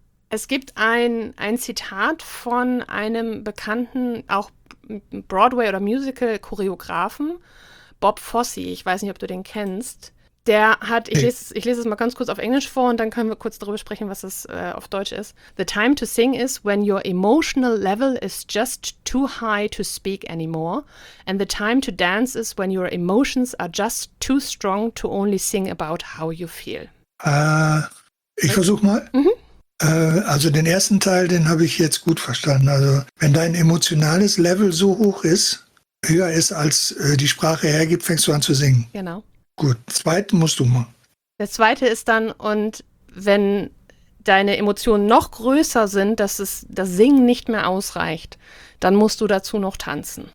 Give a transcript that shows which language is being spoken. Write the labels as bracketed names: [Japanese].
[German] Es gibt ein Zitat von einem bekannten, auch Broadway- oder Musical-Choreografen, Bob Fosse, ich weiß nicht, ob du den kennst. Der hat, ich lese es mal ganz kurz auf Englisch vor und dann können wir kurz darüber sprechen, was das auf Deutsch ist. [English] The time to sing is when your emotional level is just too high to speak anymore. And the time to dance is when your emotions are just too strong to only sing about how you feel. [German] Ich versuche mal. Mhm. Also den ersten Teil, den habe ich jetzt gut verstanden. Also wenn dein emotionales Level so hoch ist, höher ist, als die Sprache hergibt, fängst du an zu singen. Genau. Gut, zweiten musst du mal. Der zweite ist dann, und wenn deine Emotionen noch größer sind, dass das Singen nicht mehr ausreicht, dann musst du dazu noch tanzen.